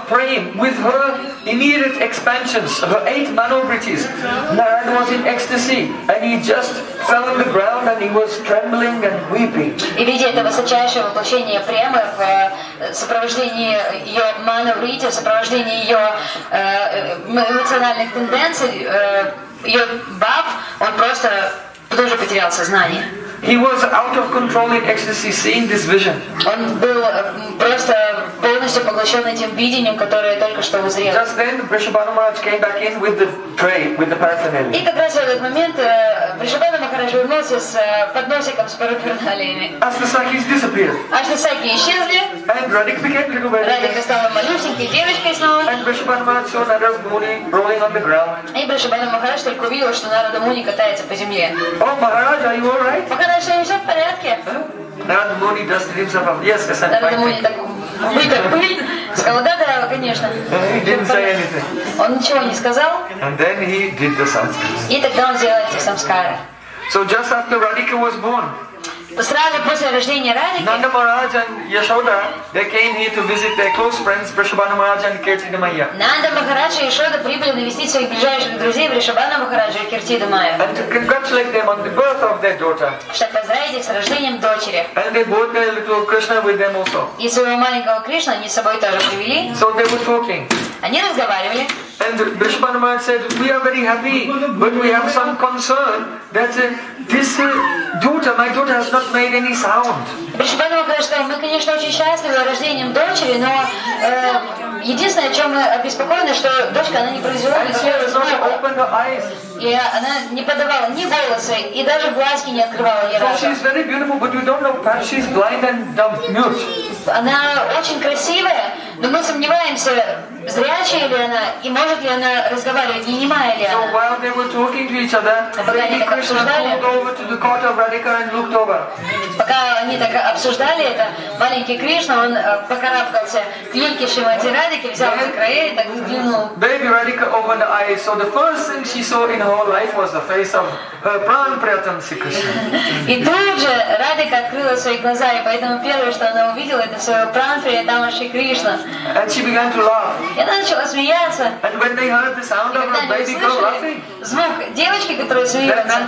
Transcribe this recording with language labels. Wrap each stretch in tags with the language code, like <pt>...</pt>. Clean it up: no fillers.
<en>Praying with her immediate expansions, her eight manovrittis. Narada was in ecstasy and he just fell on the ground and he was trembling and weeping.</en> <ru>И видя это высочайшее воплощение премы в сопровождении ее манавритти, в сопровождении ее эмоциональных тенденций, ее баб, он просто тоже потерял сознание.</ru> <en>He was out of control in ecstasy, seeing this vision.</en> <ru>Он был просто полностью поглощен этим видением, которое только что узрел.</ru> <en>Just then, Vrishabhana Maharaj came back in with the tray, with the paraphernalia.</en> <ru>И как раз в этот момент Vrishabhana Maharaj вернулся с подносиком с параферналиями.</ru> <en>Астасакхи disappeared.</en> <ru>Астасакхи исчезли.</ru> <en>And Radhika became little baby.</en> <ru>Радхика стала малюсенькой девочкой снова.</ru> <en>And Vrishabhana Maharaj saw Narada Muni rolling on the ground.</en> <ru>И Vrishabhana Maharaj только увидел, что Narada Muni катается по земле.</ru> <en>Oh, Maharaj, are you all right?</en> <ru>Пока все в порядке.</ru> <en>Huh? Narada Muni does himself up. Yes, yes, I'm fine.</en> <ru>Он ничего не сказал.</ru> <en>And then he did the samskara.</en> <ru>И тогда он сделал эти самскары.</ru> <en>So just after Radhika was born.</en> <ru>Сразу после рождения Радхики.</ru> <en>Nanda Maharaj and Yashoda, they came here to visit their close friends, Vrishabhana Maharaj and Kirtida Maya.</en> <ru>Nanda Maharaj и Yashoda прибыли навестить своих ближайших друзей Vrishabhana Maharaj и Kirtida Maya.</ru> <en>And to congratulate them on the birth of their daughter.</en> <ru>Чтобы поздравить их с рождением дочери.</ru> <en>And they brought their little Krishna with them also.</en> <ru>И своего маленького Кришну они с собой тоже привели.</ru> <en>So they were talking.</en> <ru>Они разговаривали.</ru> <en>And Vrishabhana Maharaj said, "We are very happy, but we have some concern that this daughter, my daughter, has not made any sound."</en> <ru>Vrishabhana Maharaj сказал, "Мы, конечно, очень счастливы рождением дочери, но единственное, о чем мы обеспокоены, что дочка она не произвела ни слова, и она не подавала ни голоса, и даже глазки не открывала ни разу."</ru> <en>So she is very beautiful, but we don't know. Perhaps she is blind and dumb, mute.</en> <ru>Она очень красивая, но мы сомневаемся, зрячая ли она, и может ли она разговаривать, не немая ли она.</ru> <en>So while they were talking to each other, Radhika pulled over to the court of Radhika and looked over.</en> <ru>Пока они так обсуждали это, маленький Кришна, он покарабкался к люльке Шримати Радхики, взял за края и так взглянул.</ru> <en>Baby Radhika opened her eyes, so the first thing she saw in her whole life was the face of her pran priyatam Sri Krishna.</en> <ru>И тут же Радхика открыла свои глаза, и поэтому первое, что она увидела, это своего пран приятама Шри Кришна.</ru> <en>And she began to laugh.</en> <ru>И она начала смеяться.</ru> <en>And when they heard the sound of a baby girl laughing,</en> <ru>звук девочки, которая смеется,</ru>